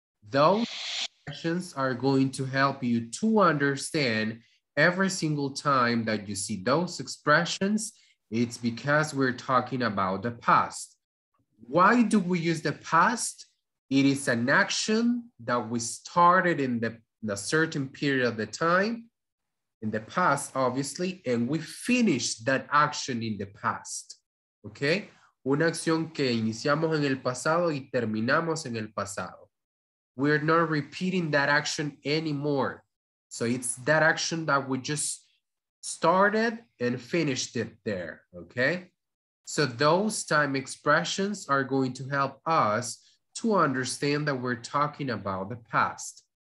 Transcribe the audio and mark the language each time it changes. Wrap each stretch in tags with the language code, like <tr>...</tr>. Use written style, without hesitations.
<en>Those expressions are going to help you to understand every single time that you see those expressions, it's because we're talking about the past. Why do we use the past? It is an action that we started in a certain period of the time, in the past, obviously, and we finished that action in the past, okay?</en> <es>Una acción que iniciamos en el pasado y terminamos en el pasado.</es> <en>We're not repeating that action anymore. So it's that action that we just started and finished it there, okay? So those time expressions are going to help us to understand that we're talking about the past.</en>